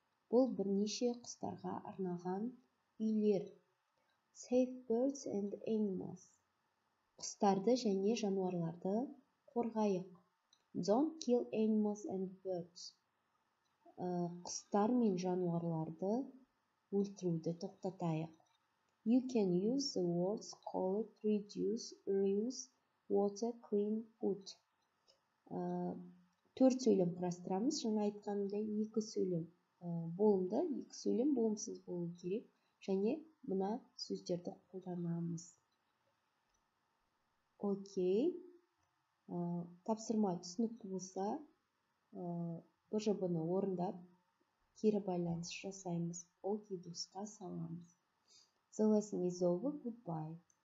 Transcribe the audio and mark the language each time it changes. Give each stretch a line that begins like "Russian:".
Kazakh: Бұл бірнеше құстарға арналған үйлер.
English: Save birds and animals.
Kazakh: Құстарды және жануарларды қорғайық.
English: Don't kill animals and birds.
Kazakh: Құстар мен жануарларды өлтіруді тоқтатайық.
English: You can use the words collect, reduce, reuse, water, clean, put.
Kazakh: Төрт сөйлем құрастырамыз. Жаңа айтқанымда екі сөйлем болымды, екі сөйлем болымсыз болу керек. Және мына сөздерді қолданамыз. Окей. Тапсырма түсінікті болса, бұжыбыны орындап, кері байланыс жасаймыз. Окей, дұрысқа саламыз.
English: The lesson is over. Goodbye.